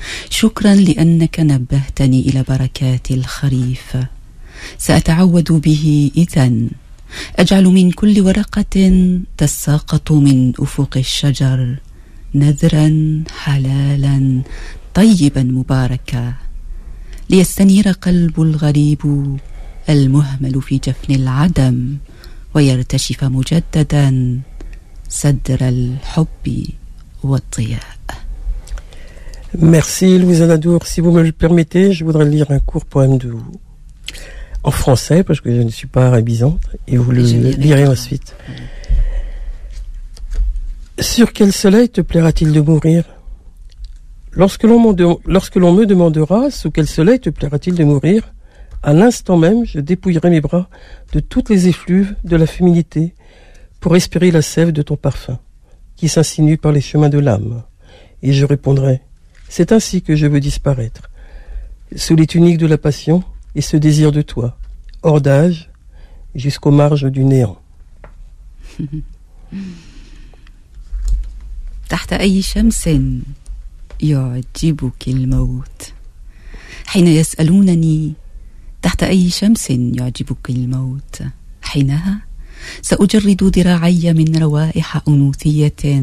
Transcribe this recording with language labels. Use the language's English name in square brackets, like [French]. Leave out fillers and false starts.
[Arabic] شكرا لأنك نبهتني إلى بركات الخريف سأتعود به إذن أجعل من كل ورقة تساقط من أفق الشجر نذرا حلالا طيبا مباركا ليستنير قلب الغريب المهمل في جفن العدم ويرتشف مجددا صدر الحب والضياء. [French] Merci Louise Anadour. Si vous me le permettez, je voudrais lire un court poème de vous en français parce que je ne suis pas arabisante et vous le lirez ensuite. Sur quel soleil te plaira-t-il de mourir? Lorsque l'on me demandera sous quel soleil te plaira-t-il de mourir, à l'instant même, je dépouillerai mes bras de toutes les effluves de la féminité pour respirer la sève de ton parfum qui s'insinue par les chemins de l'âme. Et je répondrai, c'est ainsi que je veux disparaître, sous les tuniques de la passion et ce désir de toi, hors d'âge, jusqu'aux marges du néant. [Arabic] تحت أي شمس يعجبك الموت حين يسألونني تحت أي شمس يعجبك الموت حينها سأجرد ذراعي من روائح أنوثية